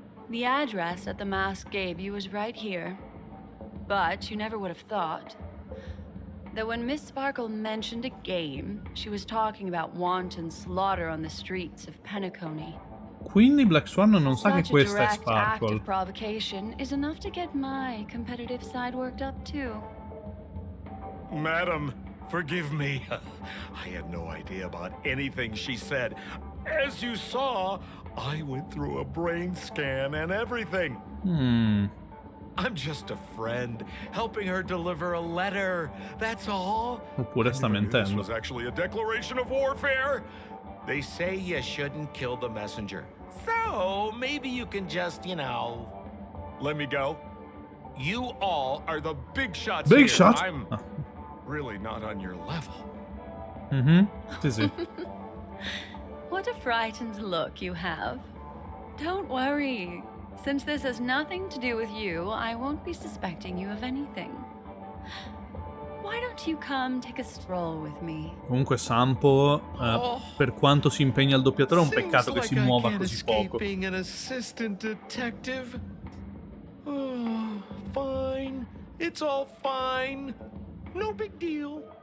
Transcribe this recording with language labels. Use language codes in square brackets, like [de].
[en] The address that the mask gave you is right here. But you never would have thought that when Miss Sparkle mentioned a game, she was talking about wanton slaughter on the streets of Panicone. [it] Quindi Black Swan non sa che questa è Sparkle. [en] Such a direct act of provocation is enough to get my competitive side worked up too. Madam, forgive me. I had no idea about anything she said. As you saw, I went through a brain scan and everything. I'm just a friend helping her deliver a letter. That's all. [it] Oppure sta mentendo. [en] This was actually a declaration of warfare. They say you shouldn't kill the messenger. So, maybe you can just, you know, let me go. You all are the big shots. Big here. Shot. I'm really not on your level. Mm-hmm. Dizzy. What a frightened look you have. Don't worry. Since this has nothing to do with you, I won't be suspecting you of anything. Why don't you come take a stroll with me? [it] Comunque Sampo, per quanto si impegna al doppiatore, è un peccato che si muova così poco. [en] Being an assistant detective. Oh, fine. It's all fine. No big deal.